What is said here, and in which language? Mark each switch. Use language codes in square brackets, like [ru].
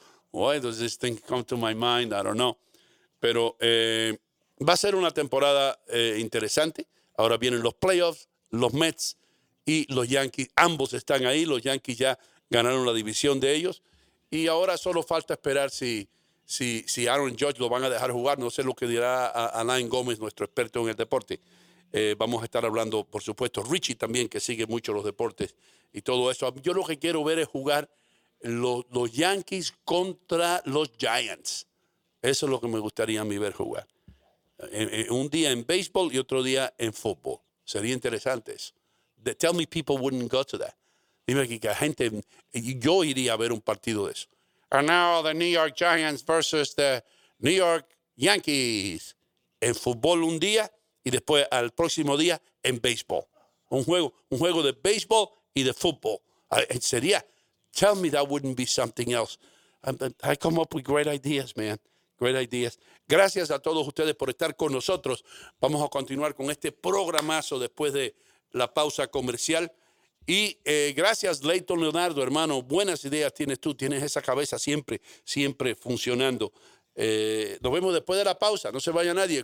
[en] Why does this thing come to my mind? I don't know. [es] Pero va a ser una temporada interesante. Ahora vienen los playoffs, los Mets y los Yankees. Ambos están ahí. Los Yankees ya ganaron la división de ellos. Y ahora solo falta esperar si Aaron Judge lo van a dejar jugar. No sé lo que dirá Alain Gómez, nuestro experto en el deporte. Vamos a estar hablando, por supuesto, Richie también, que sigue mucho los deportes y todo eso. Yo lo que quiero ver es jugar los Yankees contra los Giants. Eso es lo que me gustaría a mí ver jugar. Un día en béisbol y otro día en fútbol. Sería interesante eso. [en] Tell me people wouldn't go to that. [es] Dime que la gente, yo iría a ver un partido de eso. [en] And now the New York Giants versus the New York Yankees. [es] En fútbol un día y después al próximo día en béisbol. Un juego de béisbol y de fútbol. [en] Sería, tell me that wouldn't be something else. I come up with great ideas, man. Great ideas. [es] Gracias a todos ustedes por estar con nosotros. Vamos a continuar con este programazo después de la pausa comercial. Y gracias, Leighton Leonardo, hermano. Buenas ideas tienes tú. Tienes esa cabeza siempre, siempre funcionando. Nos vemos después de la pausa. No se vaya nadie.